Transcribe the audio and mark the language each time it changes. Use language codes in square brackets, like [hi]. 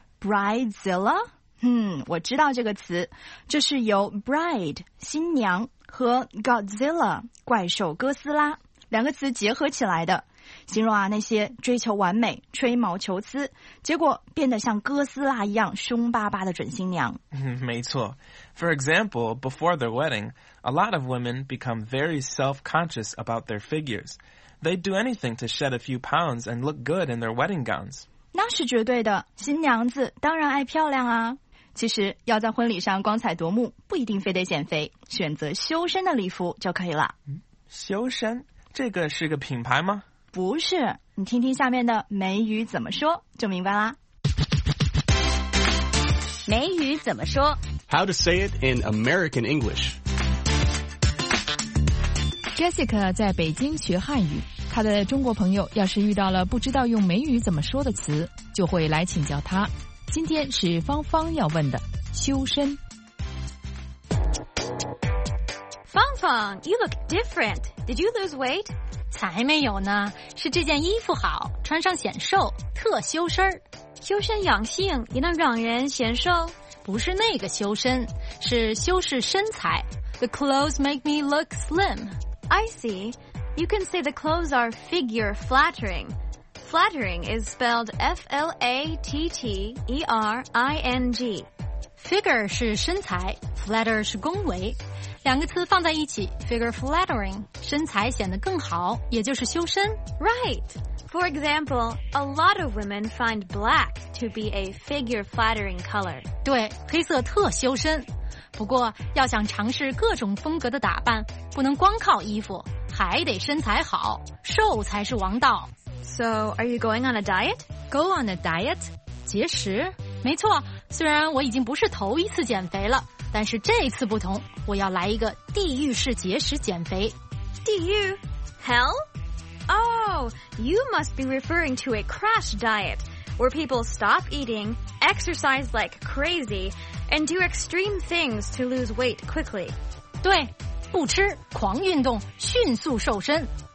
[zh] Bridezilla? 我知道这个词。这是由 bride, 新娘和 Godzilla, 怪兽哥斯拉两个词结合起来的。形容啊那些追求完美吹毛求疵结果变得像哥斯拉一样凶巴巴的准新娘。没错。 [en] For example, before their wedding, a lot of women become very self-conscious about their figures. They'd do anything to shed a few pounds and look good in their wedding gowns. [zh] 那是绝对的，新娘子当然爱漂亮啊。其实要在婚礼上光彩夺目，不一定非得减肥，选择修身的礼服就可以了。修身？这个是个品牌吗？不是，你听听下面的美语怎么说，就明白啦。美语怎么说 [en] ？How to say it in American English? [zh] Jessica 在北京学汉语，她的中国朋友要是遇到了不知道用美语怎么说的词，就会来请教她。今天是芳芳要问的，修身。 [en] 芳芳 ，You look different. Did you lose weight? [zh] 才没有呢，是这件衣服好，穿上显瘦，特修身。修身养性也能让人显瘦？不是那个修身，是修饰身材。 [en] The clothes make me look slim. I see. You can say the clothes are figure flattering. Flattering is spelled F-L-A-T-T-E-R-I-N-G. [zh] Figure 是身材 ,flatter 是恭维。两个词放在一起 ,figure flattering, 身材显得更好也就是修身。 [en] Right. For example, a lot of women find black to be a figure flattering color. [zh] 对黑色特修身。不过要想尝试各种风格的打扮不能光靠衣服还得身材好，瘦才是王道。 [en] So, are you going on a diet? Go on a diet? [zh] 节食？没错，虽然我已经不是头一次减肥了，但是这次不同，我要来一个地狱式节食减肥。地狱？Hell? [en] Oh, you must be referring to a crash diet, where people stop eating, exercise like crazy, and do extreme things to lose weight quickly. [zh] 对，不吃，狂运动，迅速瘦身。